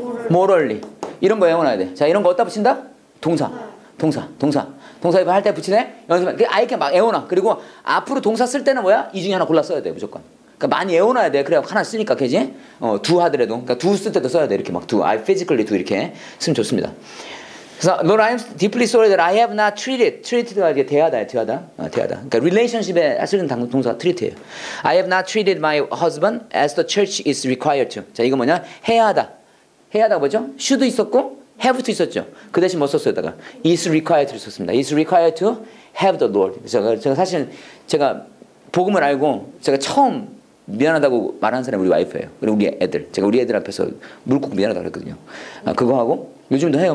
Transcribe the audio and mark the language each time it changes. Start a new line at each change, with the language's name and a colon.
Korean: morally. 이런 거 외워놔야 돼. 자, 이런 거 어디다 붙인다? 동사. 동사. 동사. 동사 이거 할 때 붙이네? 연습해. 아예 이렇게 막 외워놔. 그리고 앞으로 동사 쓸 때는 뭐야? 이 중에 하나 골라 써야 돼, 무조건. 많이 외워놔야 돼. 그래, 하나 쓰니까, 그지? 두 하더라도. 그니까, 두 쓸 때도 써야 돼. 이렇게 막 두.
English: I physically
Korean: 두 이렇게 쓰면 좋습니다. 그래서,
English: Lord, I am deeply sorry that I have not treated.
Korean: treated가 이게 대하다야, 대하다. 대하다. 그니까, relationship에 쓰는 동사 treat예요.
English: I have not treated my husband as the church is required to.
Korean: 자, 이거 뭐냐? 해야 하다. 해야 하다 뭐죠? should 있었고, have to 있었죠. 그 대신 뭐 썼어요, 여기다가?
English: is required to
Korean: 썼습니다.
English: is required to have the Lord.
Korean: 제가 사실, 제가 복음을 알고, 제가 처음, 미안하다고 말하는 사람이 우리 와이프예요. 그리고 우리 애들. 제가 우리 애들 앞에서 물 꾹 미안하다고 그랬거든요. 아, 그거 하고 요즘도 해요.